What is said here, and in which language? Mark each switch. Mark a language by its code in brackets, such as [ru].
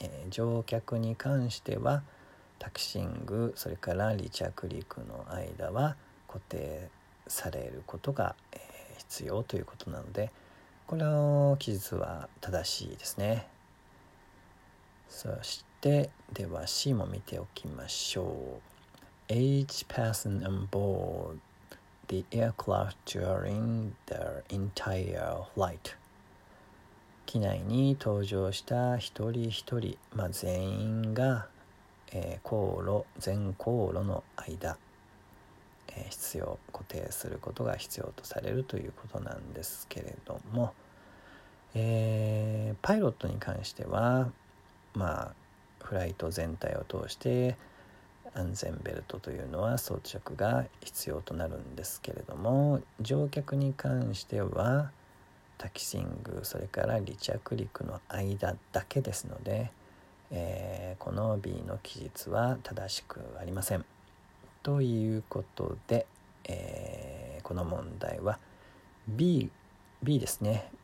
[ja] 乗客に関してはタキシング、それから離着陸の間は固定されることが、必要ということなので、この記述は正しいですね。そしてでは C も見ておきましょう。 [en] Each person on boardthe aircraft during their entire flight. [ja] 機内に搭乗した一人一人、まあ、全員が、航路、全航路の間、必要、固定することが必要とされるということなんですけれども、パイロットに関しては、まあ、フライト全体を通して安全ベルトというのは装着が必要となるんですけれども、乗客に関してはタキシング、それから離着陸の間だけですので、この B の記述は正しくありませんということで、この問題は B ですね。